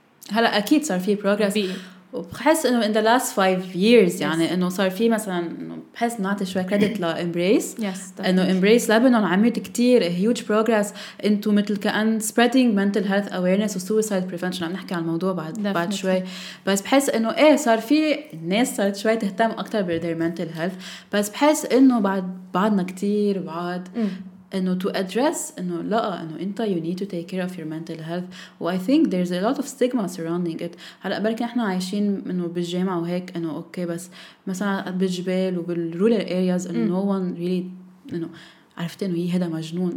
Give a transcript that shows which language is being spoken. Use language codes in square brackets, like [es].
[ar] هلا أكيد صار في progress. وبحس إنه [en] in the last five years [ar] يعني إنه صار في مثلاً بحس نعطي شوية credit لا embrace. [en] Yes. إنه embrace Lebanon [ar] عملت كتير [en] a huge progress into [ar] مثل كأن [en] spreading mental health awareness and suicide prevention. [ar] عم نحكي عن الموضوع بعد بعد شوي. بس بحس إنه إيه صار في ناس صارت شوية تهتم أكتر بالder mental health. بس بحس إنه بعدنا كتير بعد. [en] And to address, you need to take care of your mental health. Well, I think there's a lot of stigma surrounding it. [ar] هلا بركي احنا عايشين انه بالجامعه وهيك انه اوكي بس مثلا بالجبال وبالرولر ارياز انه [en] no one really [ar] عرفت انه هي هذا مجنون.